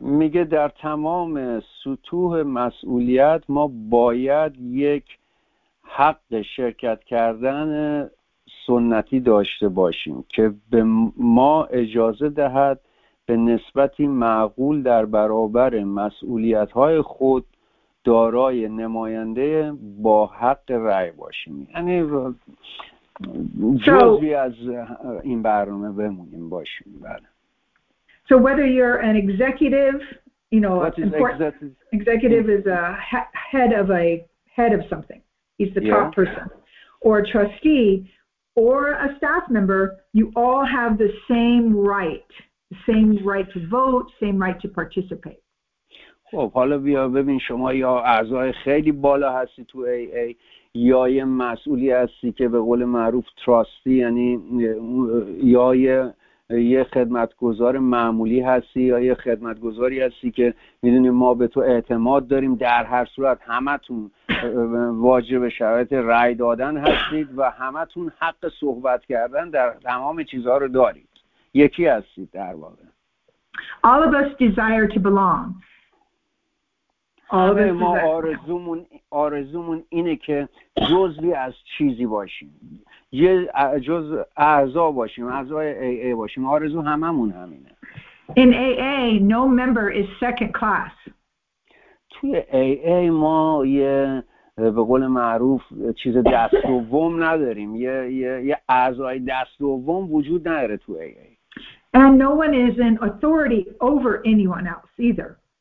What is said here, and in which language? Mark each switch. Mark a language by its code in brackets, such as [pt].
[fa] میگه در تمام سطوح مسئولیت ما باید یک حق شرکت کردن سنتی داشته باشیم که به ما اجازه دهد به نسبتی معقول در برابر مسئولیت‌های خود دارای نماینده با حق رأی باشیم. یعنی جزوی از این برنامه بمونیم باشیم. بله. [en] So whether you're an executive, you know, executive is a head of something. He's the top person. Or a trustee or a staff member, you all have the same right. The same right to vote, same right to participate. [fa] خب حالا بیا ببین شما یا اعضای خیلی بالا هستی تو AA یا یه مسئولی هستی که به قول معروف تراستی یعنی یا یه خدمتگزار معمولی هستی یا یه خدمتگزاری هستی که میدونی ما به تو اعتماد داریم در هر صورت همتون واجب شرایط رأی دادن هستید و همتون حق صحبت کردن در تمام چیزها رو دارید یکی هستید در واقع [en] All of us desire to belong [fa] همه ما آرزومون اینه که جزوی از چیزی باشیم یه جز اعضا باشیم اعضای AA باشیم آرزو هممون همینه [en] In AA, no member is second class [fa] توی AA ما یه به قول معروف چیز دست دوم نداریم یه اعضای دست دوم وجود نداره توی AA [en] And no one is in authority over anyone else either